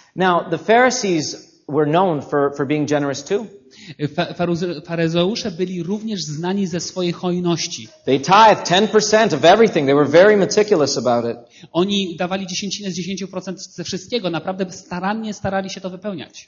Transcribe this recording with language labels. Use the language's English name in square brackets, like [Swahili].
[English] Now, the Pharisees were known for being generous too. [Polish] Faryzeusze byli również znani ze swojej hojności. [English] They tithed 10% of everything. They were very meticulous about it. [Polish] Oni dawali dziesięcinę z 10% ze wszystkiego, naprawdę starannie starali się to wypełniać.